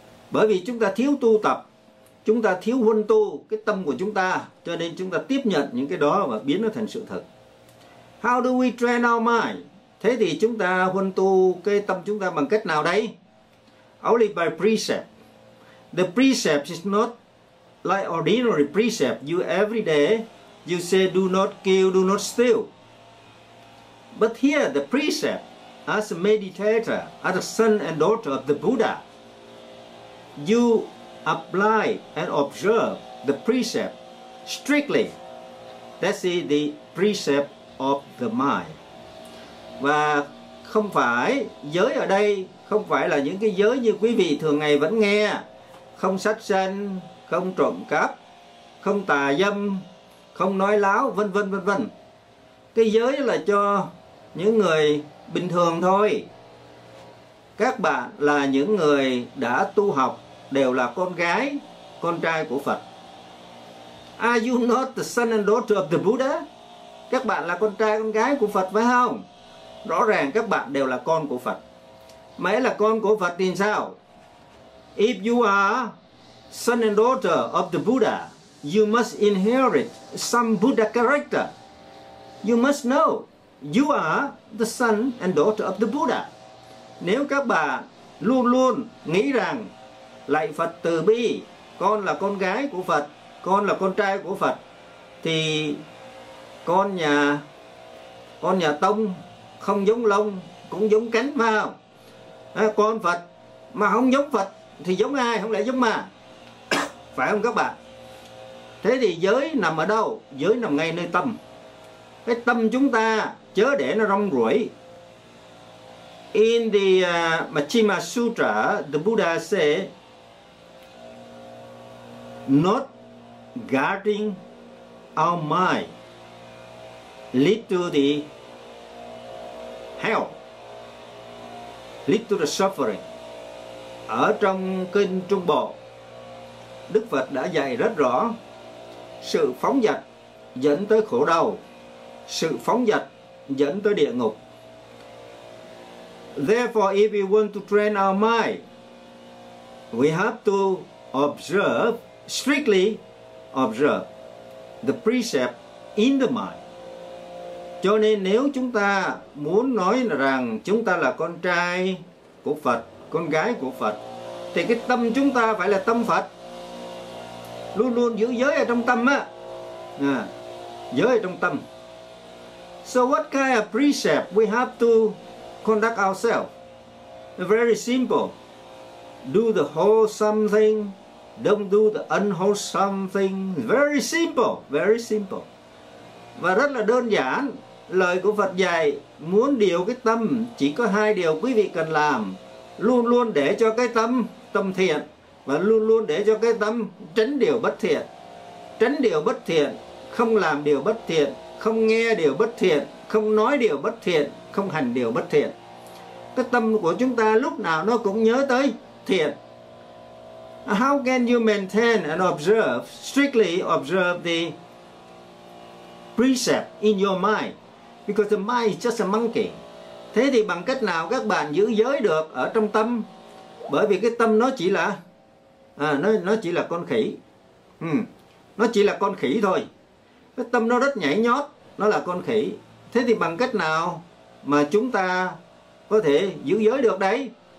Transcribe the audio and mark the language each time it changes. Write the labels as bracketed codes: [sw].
[vi] Bởi vì chúng ta thiếu tu tập, chúng ta thiếu huân tu cái tâm của chúng ta, cho nên chúng ta tiếp nhận những cái đó và biến nó thành sự thật. [en] How do we train our mind? [vi] Thế thì chúng ta huân tu cái tâm chúng ta bằng cách nào đây? [en] Only by precept. The precept is not like ordinary precept you every day. You say do not kill, do not steal. But here the precept as a meditator, as the son and daughter of the Buddha, you apply and observe the precept strictly. That's the precept of the mind. [vi] Và không phải giới ở đây, không phải là những cái giới như quý vị thường ngày vẫn nghe, không sát sanh, không trộm cắp, không tà dâm, không nói láo, vân vân vân vân. Cái giới là cho những người bình thường thôi. Các bạn là những người đã tu học, đều là con gái, con trai của Phật. [en] Are you not the son and daughter of the Buddha? [vi] Các bạn là con trai, con gái của Phật phải không? Rõ ràng các bạn đều là con của Phật. Mấy là con của Phật thì sao? [en] If you are son and daughter of the Buddha, you must inherit some Buddha character. You must know you are the son and daughter of the Buddha. [vi] Nếu các bạn luôn luôn nghĩ rằng lạy Phật từ bi, con là con gái của Phật, con là con trai của Phật, thì con nhà Tông không giống lông cũng giống cánh vào. Con Phật mà không giống Phật thì giống ai, không lẽ giống ma? Phải không các bạn? Thế thì giới nằm ở đâu? Giới nằm ngay nơi tâm. cái tâm chúng ta chớ để nó rong ruổi. [en] In the Majjhima Sutra, the Buddha say, not guarding our mind lead to the hell, lead to the suffering. [vi] Ở trong kinh Trung Bộ, Đức Phật đã dạy rất rõ, sự phóng dật dẫn tới khổ đau, sự phóng dật dẫn tới địa ngục. [en] Therefore, if we want to train our mind, we have to observe, strictly observe the precept in the mind. [vi] Cho nên nếu chúng ta muốn nói rằng chúng ta là con trai của Phật, con gái của Phật, thì cái tâm chúng ta phải là tâm Phật, luôn luôn giữ giới ở trong tâm á, giới ở trong tâm. [en] So what kind of precept we have to conduct ourselves? Very simple. Do the wholesome thing, don't do the unwholesome thing. Very simple, very simple. [vi] Và rất là đơn giản. Lời của Phật dạy, muốn điều cái tâm, chỉ có hai điều quý vị cần làm. Luôn luôn để cho cái tâm tâm thiện, và luôn luôn để cho cái tâm tránh điều bất thiện. Tránh điều bất thiện, không làm điều bất thiện, không nghe điều bất thiện, không nói điều bất thiện, không hành điều bất thiện. Cái tâm của chúng ta lúc nào nó cũng nhớ tới thiện. [en] How can you maintain and observe, strictly observe the precept in your mind? Because the mind is just a monkey. [vi] Thế thì bằng cách nào các bạn giữ giới được ở trong tâm? Bởi vì cái tâm nó chỉ là nó chỉ là con khỉ. Nó chỉ là con khỉ thôi. Cái tâm nó rất nhảy nhót, nó là con khỉ. Thế thì bằng cách nào mà chúng ta có thể giữ giới được đấy?